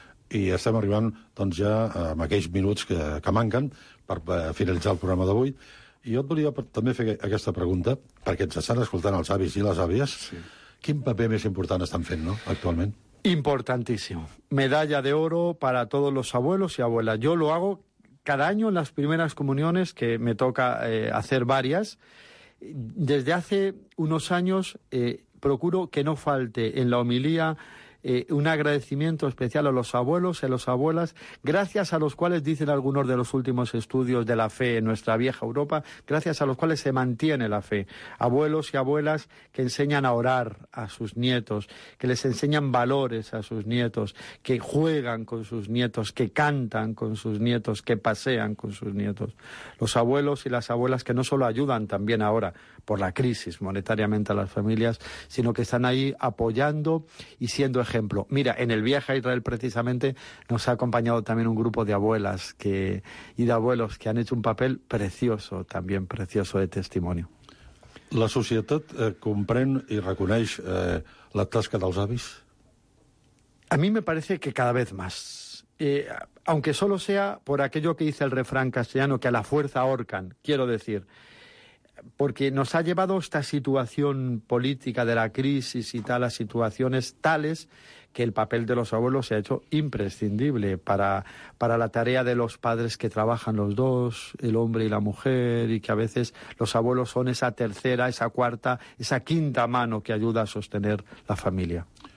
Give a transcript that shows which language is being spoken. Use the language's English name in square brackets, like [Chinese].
[Catalan] I estem arribant, doncs, ja amb aquells minuts que manquen per finalitzar el programa d'avui. I jo et volia també fer aquesta pregunta, perquè ens estan escoltant els avis i les àvies. Sí. Quin paper més important estan fent, no?, actualment? Importantíssim. [Spanish] Medalla de oro para todos los abuelos y abuelas. Yo lo hago cada año en las primeras comuniones, que me toca hacer varias. Desde hace unos años procuro que no falte en la homilía un agradecimiento especial a los abuelos y a las abuelas, gracias a los cuales, dicen algunos de los últimos estudios de la fe en nuestra vieja Europa, gracias a los cuales se mantiene la fe. Abuelos y abuelas que enseñan a orar a sus nietos, que les enseñan valores a sus nietos, que juegan con sus nietos, que cantan con sus nietos, que pasean con sus nietos. Los abuelos y las abuelas que no solo ayudan también ahora por la crisis monetariamente a las familias, sino que están ahí apoyando y siendo ejemplo. Mira, en el viaje a Israel precisamente nos ha acompañado también un grupo de abuelas y de abuelos que han hecho un papel precioso, también precioso de testimonio. ¿La sociedad [Catalan] comprèn y reconeix la tasca dels avis? [Spanish] A mí me parece que cada vez más. Aunque solo sea por aquello que dice el refrán castellano, que a la fuerza ahorcan, quiero decir, porque nos ha llevado esta situación política de la crisis y tal a situaciones tales que el papel de los abuelos se ha hecho imprescindible para la tarea de los padres que trabajan los dos, el hombre y la mujer, y que a veces los abuelos son esa tercera, esa cuarta, esa quinta mano que ayuda a sostener la familia.